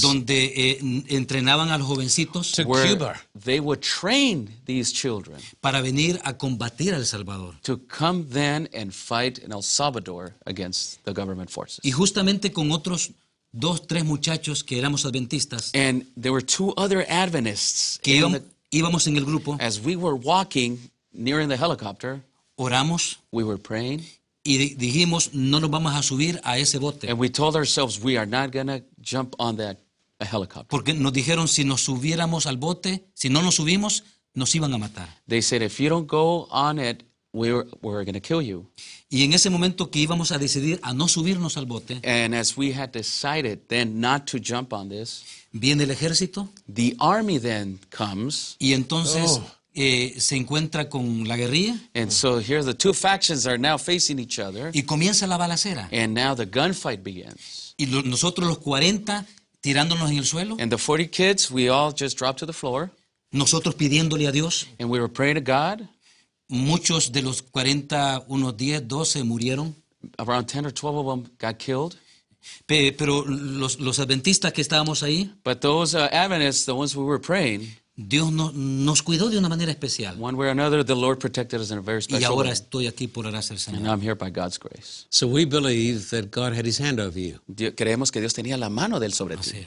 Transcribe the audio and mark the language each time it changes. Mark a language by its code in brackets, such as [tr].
[es] Donde entrenaban a los jovencitos. [en] To Cuba. They would train these children. [es] Para venir a combatir a El Salvador. [en] To come then and fight in El Salvador against the government forces. [es] Y justamente con otros dos, tres muchachos que éramos adventistas. [en] And there were two other Adventists. [es] Que íbamos en el grupo. [en] As we were walking nearing the helicopter. [es] Oramos. [en] We were praying. [es] Y dijimos, no nos vamos a subir a ese bote. [en] And we told ourselves we are not going to jump on that helicopter. [es] Porque nos dijeron, si nos subiéramos al bote, si no nos subimos, nos iban a matar. [en] They said, if you don't go on it, we're going to kill you. [es] Y en ese momento que íbamos a decidir a no subirnos al bote. [en] And as we had decided then not to jump on this. [es] Viene el ejército. [en] The army then comes. [es] Y entonces... Oh. Se encuentra con la guerrilla. [en] And so here the two factions are now facing each other. [es] Y comienza la balacera. [en] And now the gunfight begins. [es] Y nosotros los 40 tirándonos en el suelo. [en] And the 40 kids, we all just dropped to the floor. [es] Nosotros pidiéndole a Dios. [en] And we were praying to God. [es] Muchos de los 40, unos 10, 12 murieron. [en] Around 10 or 12 of them got killed. [es] Pero los adventistas que estábamos ahí. [en] But those Adventists, the ones we were praying. [es] Dios nos cuidó de una manera especial. [en] One way or another, the Lord protected us in a very special way. [es] Y ahora estoy aquí por gracia del Señor. [en] And I'm here by God's grace. So we believe that God had his hand over you. [es] Creemos que Dios tenía la mano de él sobre ti.